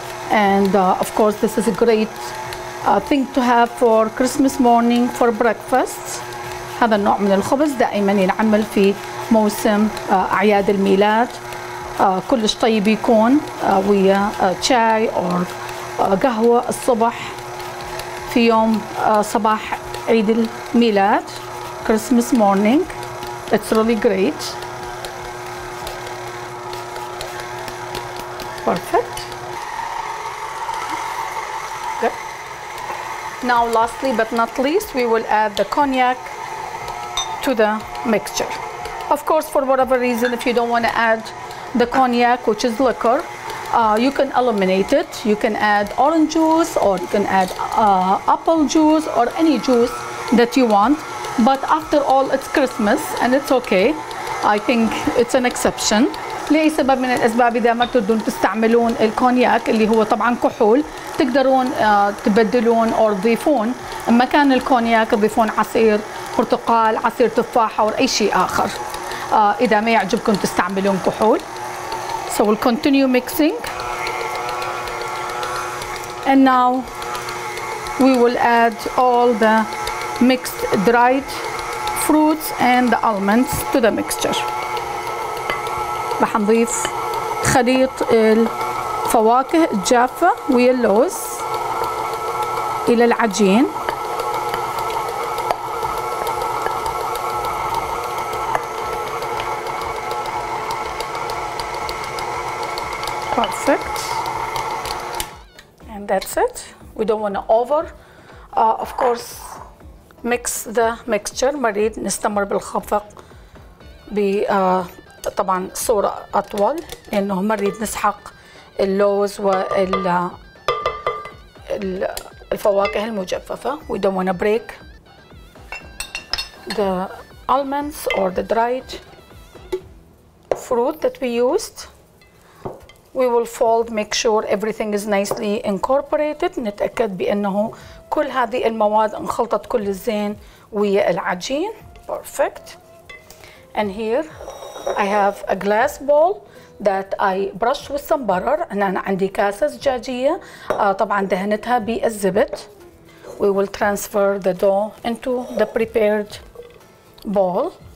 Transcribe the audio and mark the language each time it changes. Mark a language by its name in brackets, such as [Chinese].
[English] And of course, this is a great thing to have for Christmas morning for breakfast. [Arabic] هذا النوع من الخبز دائما ينعمل في موسم أعياد الميلاد. كلش طيب يكون ويا شاي أور قهوة الصبح في يوم صباح عيد الميلاد. [English] Christmas morning. It's really great. Perfect. Now lastly but not least, we will add the cognac to the mixture. Of course, for whatever reason, if you don't want to add the cognac, which is liquor, you can eliminate it. You can add orange juice, or you can add apple juice, or any juice that you want. But after all, it's Christmas, and it's okay. I think it's an exception. [Arabic] لأي سبب من الأسباب إذا ما تريدون تستعملون الكونياك اللي هو طبعا كحول، تقدرون تبدلون أو تضيفون مكان الكونياك، تضيفون عصير برتقال، عصير تفاح أو أي شيء آخر إذا ما يعجبكم تستعملون كحول. [English] So we'll continue mixing. And now we will add all the mixed dried fruits and the almonds to the mixture. [Arabic] راح نضيف خليط الفواكه الجافة ويا اللوز إلى العجين. [English] Perfect. And that's it. We don't want to over, of course, mix the mixture. [Arabic] ما نريد نستمر بالخفق ب طبعا صورة أطول، لأنه ما نريد نسحق اللوز وال الفواكه المجففة. [English] We don't want to break the almonds or the dried fruit that we used. We will fold, make sure everything is nicely incorporated. [Arabic] نتأكد بأنه كل هذه المواد انخلطت كل الزين ويا العجين. [English] Perfect. And here I have a glass bowl that I brushed with some butter. And then [Arabic] عندي كاسة زجاجية طبعا دهنتها بالزبد. [English] We will transfer the dough into the prepared bowl.